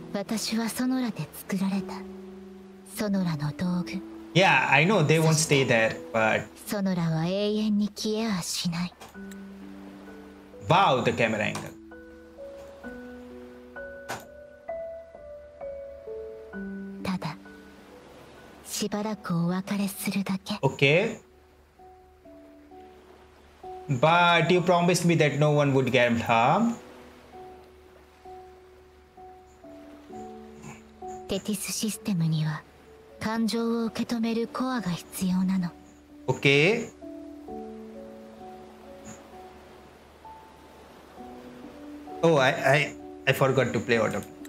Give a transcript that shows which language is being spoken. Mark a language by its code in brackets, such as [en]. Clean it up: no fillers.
[ja] 私はソノラで作られた。ソノラの道具。 [en] Yeah, I know they won't stay there, but [ja] ソノラは永遠に消えはしない。 [en] Wow, the camera angle. [ja] ただしばらくお別れするだけ。 [en] Okay. But you promised me that no one would get harm. [ja] テティスシステムには感情を受け止めるコアが必要なの。 [en] OK。 Oh, I forgot to play auto.